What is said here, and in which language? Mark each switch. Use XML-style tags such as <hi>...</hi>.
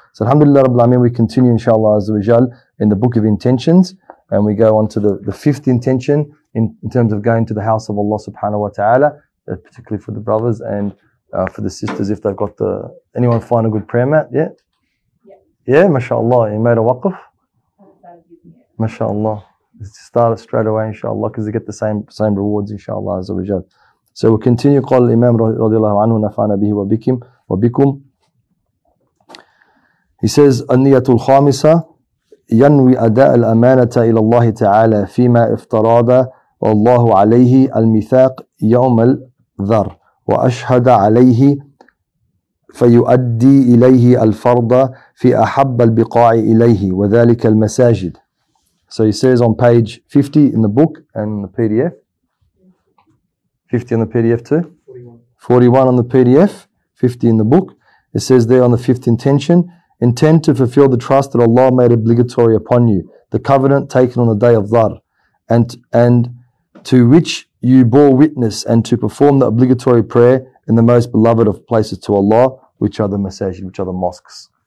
<en>So alhamdulillah rabbil alamin, we continue inshallah azza wa jal in the book of intentions, and we go on to the fifth intention in terms of going to the house of Allah subhanahu wa ta'ala, particularly for the brothers and for the sisters, if they've got the... Anyone find a good prayer mat yet? Yeah, mashallah. You made a waqf? Mashallah. Start it straight away, inshallah, because they get the same rewards, inshallah, as a result. So we'll continue.</en> <ar>قال الإمام رضي الله عنه نفعنا به وبكم وبكم.</ar> <en>He says,</en> <ar>النية الخامسة ينوي أداء الأمانة إلى الله تعالى فيما افترض الله عليه الميثاق يوم ذر وأشهد عليه فيؤدي إليه الفرض في أحب البقاع إليه وذلك المساجد.</ar> <en>So he says on page 50 in the book and the PDF. 50 on the PDF too? 41 on the PDF, 50 in the book. It says there on the fifth intention, intend to fulfill the trust that Allah made obligatory upon you, the covenant taken on the day of Dhar, and to which you bore witness, and to perform the obligatory prayer in the most beloved of places to Allah, which are the masajid, which are the mosques.</en>